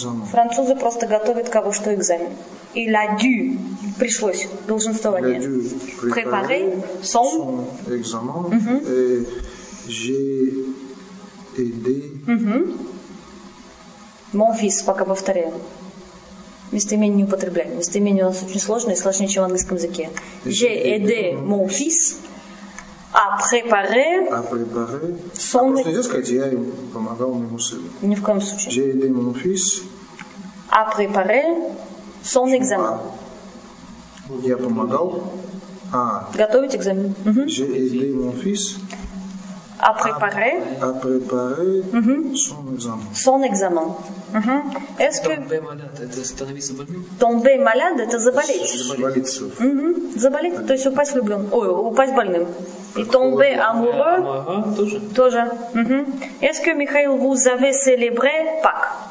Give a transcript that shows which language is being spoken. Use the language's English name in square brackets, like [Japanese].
[Russian] Французы просто готовят кого что экзамен. [French] Il a dû, [Russian] пришлось, долженствование. [French] Il a dû préparer son examen. Mm-hmm. Et j'ai aidé mon fils, [Russian] пока повторяю. Местоимение не употребляем. Местоимение у нас очень сложное, сложнее, чем в английском языке. [French] J'ai aidé mon fils à préparer son... [Russian] Просто нельзя сказать, я ему помогал моему сыну. Ни в коем случае. [French] J'ai aidé mon fils à préparer son examen. [Russian] Я помогал... Готовить экзамен. [French] J'ai aidé mon fils à préparer, à préparer son examen. Son examen. Est-ce que tomber [Russian] malade, это заболеть? Заболеть, то есть упасть влюблён. Ой, упасть больным. И [French] tomber amoureux, [Russian] тоже. [French] Est-ce que Михаил, vous avez célébré Pâques?